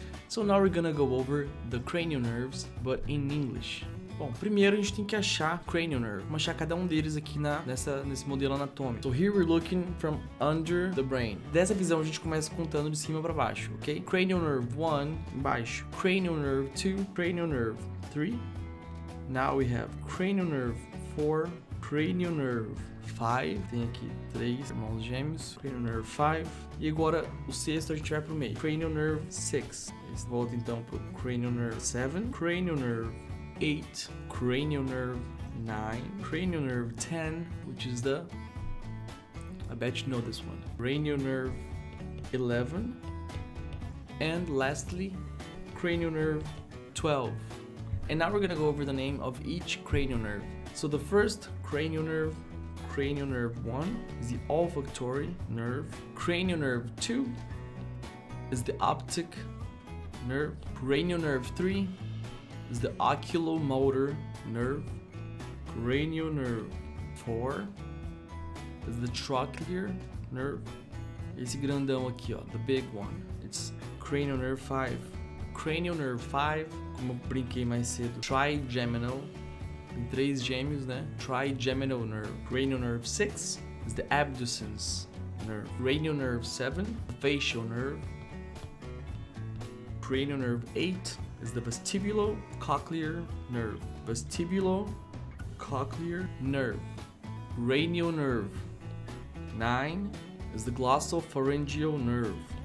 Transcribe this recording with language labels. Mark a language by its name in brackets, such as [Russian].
[English] So now we're gonna go over the cranial nerves, but in English. [Portuguese] Bom, primeiro a gente tem que achar cranial nerve. Vamos achar cada um deles aqui nesse modelo anatômico. [English] So here we're looking from under the brain. [Portuguese] Dessa visão a gente começa contando de cima pra baixo, ok? [English] Cranial nerve 1, embaixo. Cranial nerve 2, cranial nerve 3. Now we have cranial nerve 4, cranial nerve 5. [Portuguese] Tem aqui 3 irmãos gêmeos. [English] Cranial nerve 5. [Portuguese] E agora o sexto a gente vai pro meio. [English] Cranial nerve 6. [Portuguese] Volta então pro [English] cranial nerve 7. Cranial nerve 8, cranial nerve 9, cranial nerve 10, which is the, I bet you know this one, cranial nerve 11, and lastly, cranial nerve 12. And now we're gonna go over the name of each cranial nerve. So the first cranial nerve 1, is the olfactory nerve. Cranial nerve 2 is the optic nerve. Cranial nerve 3 is the oculomotor nerve. Cranial nerve 4 is the trochlear nerve. [Portuguese] Esse grandão aqui, ó, [English] the big one. It's cranial nerve 5. Cranial nerve 5, [Portuguese] como eu brinquei mais cedo, trigeminal. Tem três gêmeos, né? [English] Trigeminal nerve. Cranial nerve 6 is the abducens nerve. Cranial nerve 7, facial nerve. Cranial nerve 8 is the vestibulocochlear nerve. Vestibulocochlear nerve. Cranial nerve 9 is the glossopharyngeal nerve.